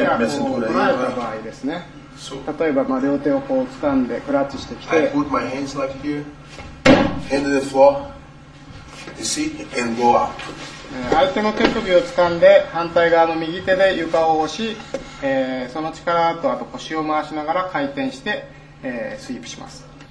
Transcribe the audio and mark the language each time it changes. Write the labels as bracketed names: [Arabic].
[Japanese] 例えば両手をこう掴んでクラッチしてきて、 [English] I put my hands like here, hand to the floor, you see, and go up. [Japanese] 相手の手首を掴んで反対側の右手で床を押し、その力とあと腰を回しながら回転して、スイープします。